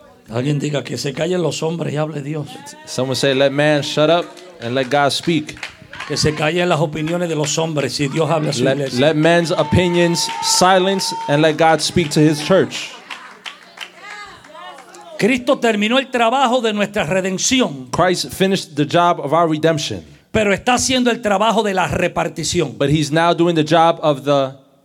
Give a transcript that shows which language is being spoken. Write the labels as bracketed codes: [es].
[es] Alguien diga que se callen los hombres y hable Dios. [en] Someone say let man shut up and let God speak. [es] Que se callen las opiniones de los hombres y Dios hable a su iglesia. [en] Let men's opinions silence and let God speak to his church. [es] Cristo terminó el trabajo de nuestra redención. [en] Christ finished the job of our redemption. [es] Pero está haciendo el trabajo de la repartición. [en] But he's now doing the job of the